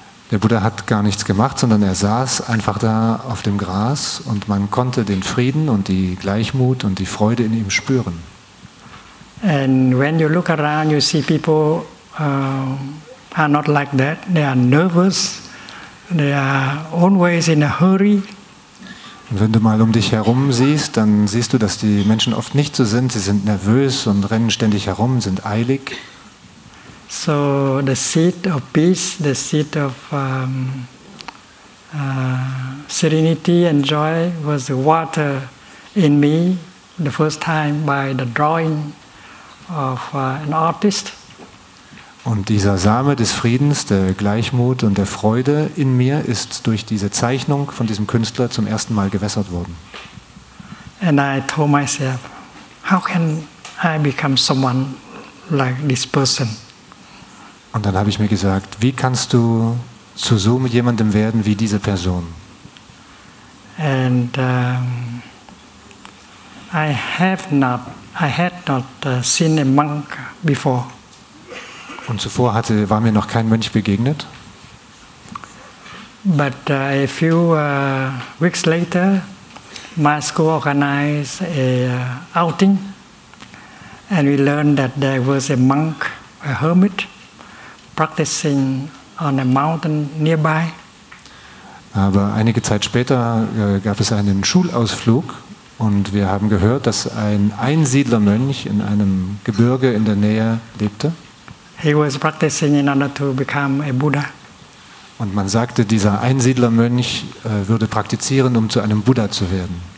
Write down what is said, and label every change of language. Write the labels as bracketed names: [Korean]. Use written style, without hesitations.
[German] Der Buddha hat gar nichts gemacht, sondern er saß einfach da auf dem Gras, und man konnte den Frieden und die Gleichmut und die Freude in ihm spüren. [English] And when you look around, you see people are not like that. They are nervous. They are always in a hurry. [German] Und wenn du mal um dich herum siehst, dann siehst du, dass die Menschen oft nicht so sind. Sie sind nervös und rennen ständig herum, sind eilig. [English] So the seed of peace, the seed of serenity and joy was water in me the first time by the drawing of an artist. [German] Und dieser Same des Friedens, der Gleichmut und der Freude in mir ist durch diese Zeichnung von diesem Künstler zum ersten Mal gewässert worden. [English] And I told myself, how can I become someone like this person? [German] Und dann habe ich mir gesagt, wie kannst du zu so mit jemandem werden wie diese Person? [English] And I had not seen a monk before. [German] Und zuvor war mir noch kein Mönch begegnet. [English] But a few weeks later, my school organized a outing, and we learned that there was a monk, a hermit, practicing on a mountain nearby. [German] Aber einige Zeit später gab es einen Schulausflug, und wir haben gehört, dass ein Einsiedlermönch in einem Gebirge in der Nähe lebte. [English] He was practicing in order to become a Buddha. [German] Und man sagte, dieser Einsiedlermönch würde praktizieren, um zu einem Buddha zu werden.